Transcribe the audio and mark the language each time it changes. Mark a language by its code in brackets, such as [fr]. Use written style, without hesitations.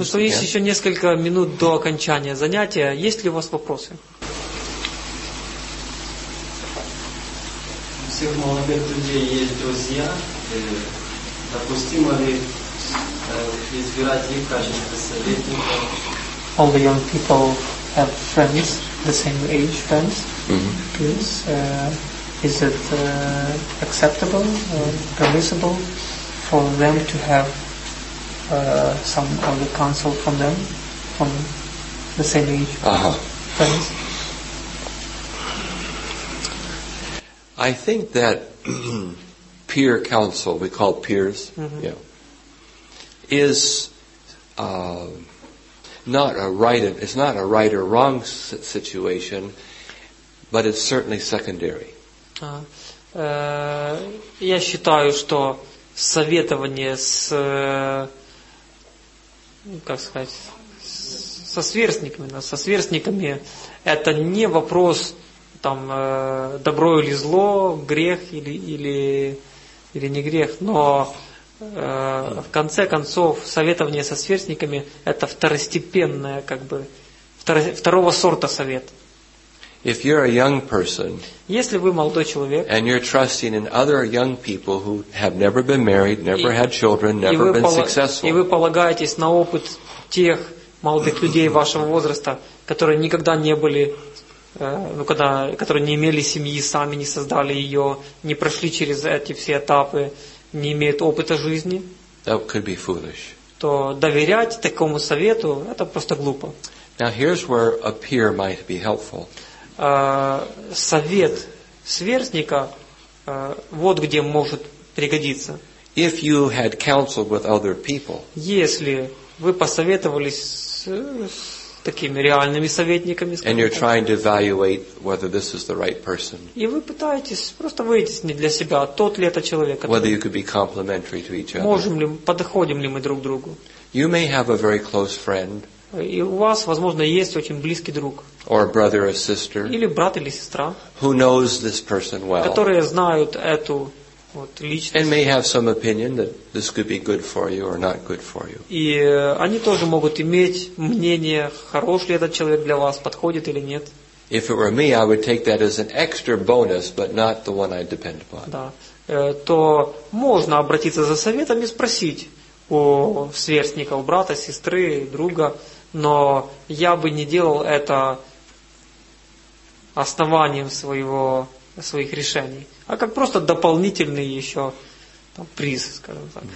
[ru] Ну что, есть еще несколько минут до окончания занятия. Есть ли у вас вопросы? У всех молодых людей есть друзья, допустимо ли избирать их в качестве советников? [en] All the young people have friends, the same age friends. Mm-hmm. Yes. Is it acceptable or permissible for them to have some of the counsel from them, from the same age friends? I think that peer counsel, we call peers, mm-hmm. you know, is not a right. It's not a right or wrong situation, but it's certainly secondary. [ru] Я считаю, что советование с, как сказать, со сверстниками, это не вопрос там добро или зло, грех или не грех, но в конце концов советование со сверстниками это второстепенное, как бы второго сорта совет. [en] If you're a young person, [ru] если вы молодой человек, [en] and you're trusting in other young people who have never been married, never had children, never been successful, [ru] и вы полагаетесь на опыт тех молодых людей вашего возраста, которые никогда не были, которые не имели семьи сами, не создали ее, не прошли через эти все этапы, не имеют опыта жизни, [en] that could be foolish. [ru] То доверять такому совету это просто глупо. [en] Now here's where a peer might be helpful. [ru] Совет сверстника вот где может пригодиться. [en] If you had counseled with other people, [ru] если вы посоветовались с такими реальными советниками, [en] and you're trying to evaluate whether this is the right person, [ru] и вы пытаетесь просто выяснить для себя, тот ли это человек, который, [en] whether you could be complementary to each other, [ru] можем ли, подходим ли мы друг другу. [en] You may have a very close friend, [ru] и у вас, возможно, есть очень близкий друг, [en] or a brother or sister, [ru] или брат или сестра, [en] who knows this person well, [ru] которые знают эту вот личность, [en] and may have some opinion that this could be good for you or not good for you. [ru] И они тоже могут иметь мнение, хорош ли этот человек для вас, подходит или нет. [en] If it were me, I would take that as an extra bonus, but not the one I depend upon. [ru] Да. То можно обратиться за советом и спросить у сверстника, у брата, сестры, друга, но я бы не делал это основанием своих решений, а как просто дополнительный еще там, приз, скажем так.